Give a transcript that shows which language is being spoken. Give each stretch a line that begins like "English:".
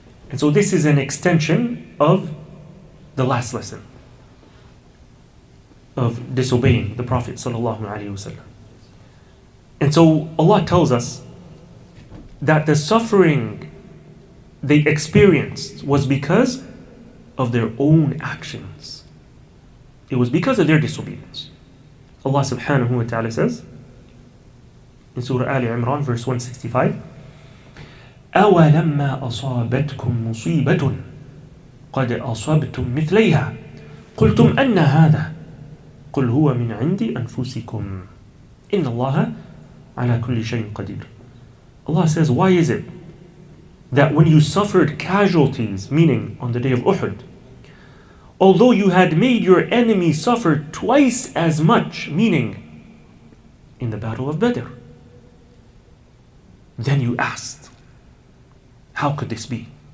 English: And so this is an extension of the last lesson of disobeying the Prophet sallallahu alaihi wasallam. And so Allah tells us that the suffering they experienced was because of their own actions. It was because of their disobedience. Allah subhanahu wa ta'ala says in Surah Ali Imran, verse 165,
Arabic: أَوَلَمَّا أَصَابَتْكُمْ مُصِيبَةٌ قَدْ أَصَابْتُمْ مِثْلَيْهَا قُلْتُمْ أَنَّ هَذَا قُلْ هُوَ مِنْ عِنْدِ أَنفُسِكُمْ إِنَّ اللَّهَ عَلَى كُلِّ شَيْءٍ قَدِيرٌ.
English: Allah says, why is it that when you suffered casualties, meaning on the day of Uhud, although you had made your enemy suffer twice as much, meaning in the battle of Badr, then you asked, how could this be?